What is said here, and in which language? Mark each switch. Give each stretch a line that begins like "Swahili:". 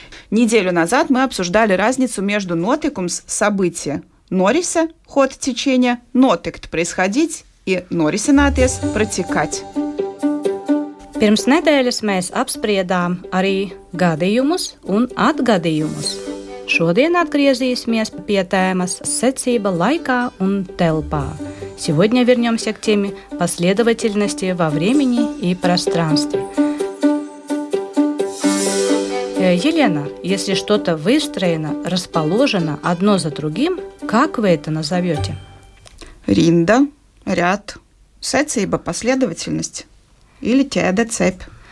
Russian: Neделю назад мы обсуждали разницу между notikums – события. Norise – ход течения, notikt – происходить и norisināties – протекать.
Latvian: Pirms nedēļas mēs apspriedām arī gadījumus un atgadījumus. Šodien atgriezīsimies pie tēmas secība laikā un telpā.
Russian: Сегодня вернемся к теме последовательности во времени и пространстве. Елена, если что-то выстроено, расположено одно за другим, как вы это назовете? Ринда, ряд, секция, последовательность или тяда цепь.